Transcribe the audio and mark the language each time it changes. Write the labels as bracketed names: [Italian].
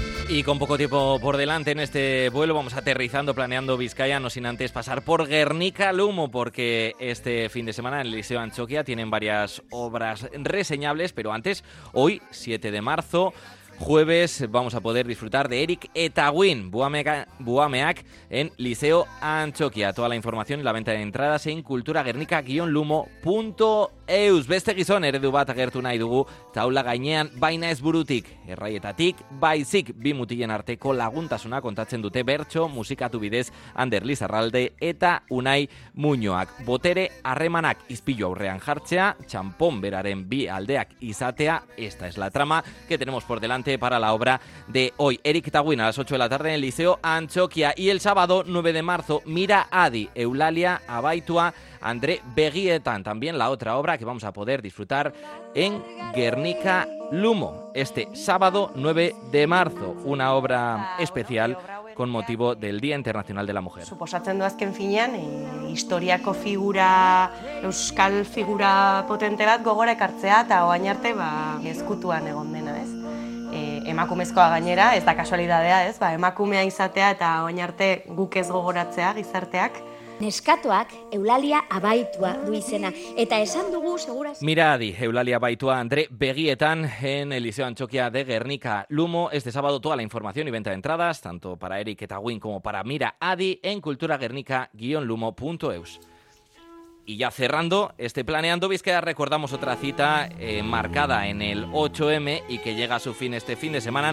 [Spanish] Y con poco tiempo por delante en este vuelo, vamos aterrizando, planeando Vizcaya, no sin antes pasar por Guernica Lumo, porque este fin de semana en el Liceo Antioquia tienen varias obras reseñables, pero antes, hoy, 7 de marzo, jueves, vamos a poder disfrutar de Eric Etawin, Buameak, en Liceo Antioquia. Toda la información y la venta de entradas en culturaguernica-lumo.eus. [Basque] Beste gizon, eredu bat agertu nahi dugu, taula gainean, baina ez burutik, erraietatik, baizik, bi mutilen arteko laguntasuna kontatzen dute bertso, musikatu bidez, Ander Lizarralde eta Unai Muñoak. Botere, harremanak, izpilu aurrean jartzea, txampon beraren bi aldeak izatea, [Spanish] esta es la trama que tenemos por delante para la obra de hoy. Eric Tawin a las 8 de la tarde en el Liceo Antioquia y el sábado 9 de marzo Mira Adi, Eulalia Abaitua, André Beguietan, también la otra obra que vamos a poder disfrutar en Guernica Lumo este sábado 9 de marzo, una obra especial con motivo del Día Internacional de la Mujer. [Basque] Suposatzen du azken finean, historiako figura, euskal figura potente bat gogora ekartzea eta orain arte ba ezkutuan egon dena, ez? Emakumezkoa gainera, ez da kasualidadea, ez? Ba, emakumea izatea eta orain arte guk ez gogoratzea gizarteak. Neskatoak Eulalia Abaitua du izena eta esan dugu seguraz. [Spanish] Mira Adi, Eulalia Abaitua, André Beguietan en el Liceo Antioquia de Guernica Lumo. Este sábado toda la información y venta de entradas, tanto para Eric Etawin como para Mira Adi, en culturaguernica-lumo.eus. Y ya cerrando este Planeando Vizcaya, recordamos otra cita marcada en el 8M y que llega a su fin este fin de semana.